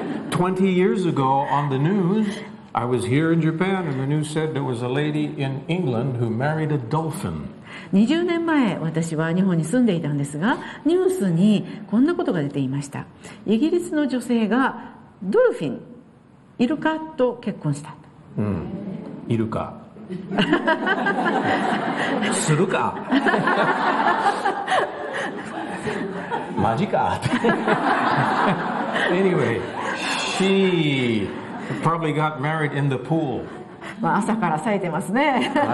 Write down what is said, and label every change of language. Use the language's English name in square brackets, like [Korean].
[English] 20 years ago on the news, I was here in Japan and the news said there was a lady in England who married a dolphin. [Japanese] 20年前私は日本に住んでいたんですが、ニュースにこんなことが出ていました。イギリスの女性がドルフィン、イルカと結婚した。イルカするかマジか [English] Anyway, she probably got married in the pool. [Japanese] まあ、朝から冴えてますね。